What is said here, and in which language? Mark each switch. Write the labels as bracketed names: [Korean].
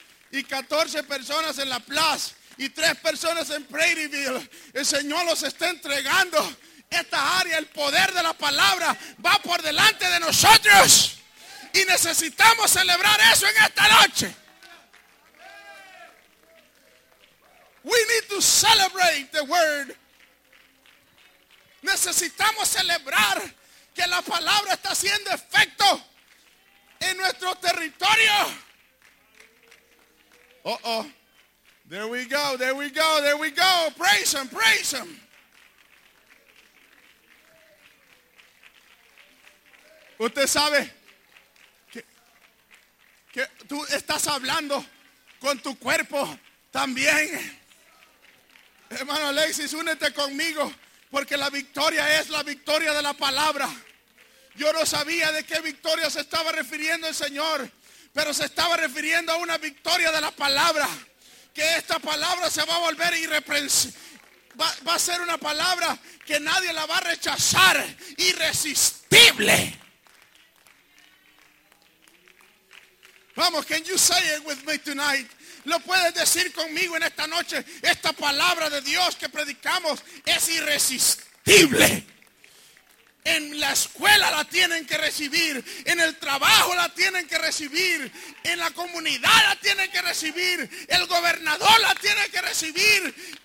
[Spanish] Y 14 personas en La Plaza. Y 3 personas en Prairieville. El Señor los está entregando. Esta área, el poder de la palabra va por delante de nosotros. Y necesitamos celebrar eso en esta noche. [English] We need to celebrate the word. [Spanish] Necesitamos celebrar que la palabra está haciendo efecto en nuestro territorio. Uh-oh. [English] There we go, there we go, there we go. Praise him, praise him. [Spanish] Usted sabe que tú estás hablando con tu cuerpo también. Hermano Alexis, únete conmigo, porque la victoria es la victoria de la palabra. Yo no sabía de qué victoria se estaba refiriendo el Señor, pero se estaba refiriendo a una victoria de la palabra. Que esta palabra se va a volver irreprensible. Va a ser una palabra que nadie la va a rechazar. Irresistible. Vamos, [English] can you say it with me tonight? [Spanish] Lo puedes decir conmigo en esta noche. Esta palabra de Dios que predicamos es irresistible. En la escuela la tienen que recibir. En el trabajo la tienen que recibir. En la comunidad la tienen que recibir. El gobernador la tiene que recibir.